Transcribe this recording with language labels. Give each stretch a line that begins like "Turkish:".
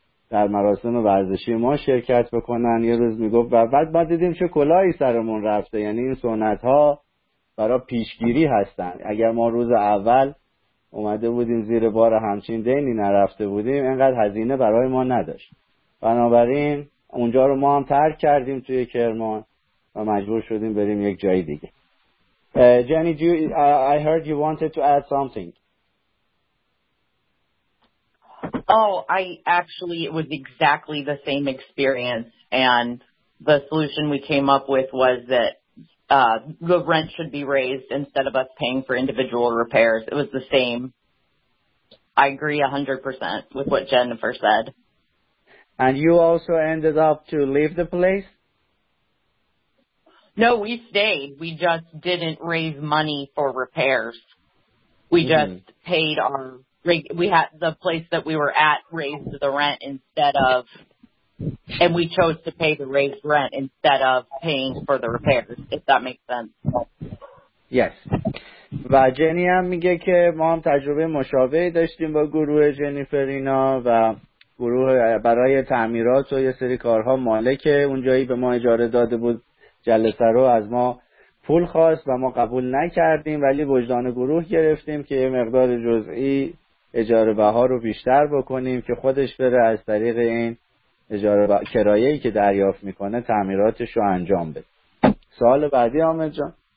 Persian: در مراسم ورزشی ما شرکت بکنن یه روز میگفت و بعد ما دیدیم چه کلاهی سرمون رفته یعنی این سنت ها برای پیشگیری هستن اگر ما روز اول اومده بودیم زیر بار همچین دینی نرفته بودیم اینقدر هزینه برای ما نداشت بنابراین اونجا رو ما هم ترک کردیم توی کرمان و مجبور شدیم بریم یک جای دیگه جنی جو
English: I heard you wanted to add something. Oh, I actually, it was exactly the same experience, and the solution we came up with was that the rent should be raised instead of us paying for individual repairs. It was the same. I agree 100% with what Jennifer said. And you also ended up to leave the place? No, we stayed. We just didn't raise money for repairs. We just paid our... We had the place that we were at raised the rent instead of, and we chose to pay the raised rent instead of paying for the repairs, if that makes sense. Yes.
Persian: و جنی هم میگه که ما هم تجربه مشابهی داشتیم با گروه جنیفر اینا و گروه برای تعمیرات و یه سری کارها مالک اونجایی به ما اجاره داده بود جلسه رو از ما پول خواست و ما قبول نکردیم ولی وجدان گروه گرفتیم که مقدار جزئی اجاره بها رو بیشتر بکنیم که خودش بره از طریق این اجاره کرایه‌ای که دریافت میکنه تعمیراتش رو انجام بده. سوال بعدی آمد جان.